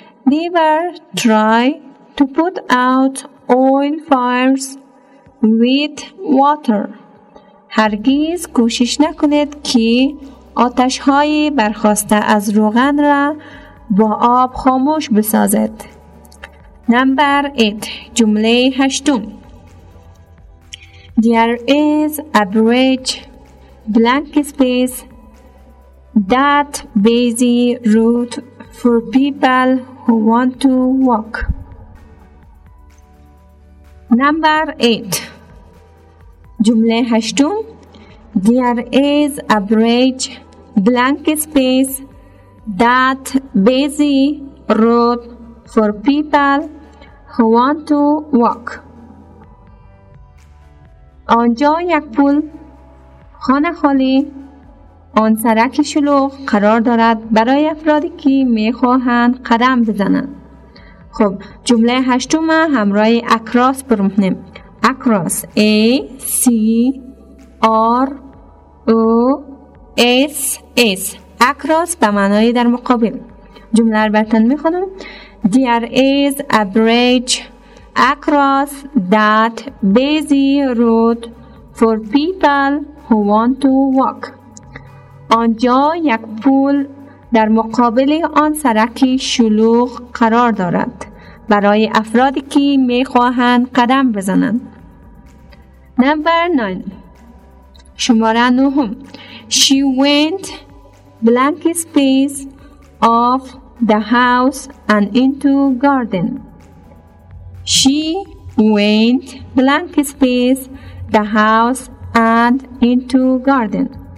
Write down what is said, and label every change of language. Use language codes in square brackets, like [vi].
[en] Never try to put out oil fires with water. [fa] هرگز کوشش نکنید که آتش های برخواسته از روغن را با آب خاموش بسازد. [en] Number 8. [fa] جمله هشتم. [en] There is a bridge blank space that busy route for people who want to walk. Number 8. [fa] جمله هشتم. [en] There is a bridge blank space that busy route for people who want to walk. [fa] آنجا یک پل، خانه خالی، آن سرک شلوغ قرار دارد برای افرادی که میخواهند قدم بزنند. خب، جمله هشتم همراه اکراس برمونیم. اکراس A C R O S S. اکراس به معنای در مقابل. جمله رو براتون میخونم. [en] There is a bridge across that busy road for people who want to walk. [fa] آنجا یک پول در مقابل آن سرک شلوغ قرار دارد برای افرادی که می خواهند قدم بزنند. [en] Number 9. [fa] شماره 9. [en] She went blank space off the house and into garden. She went blank space the house and into garden.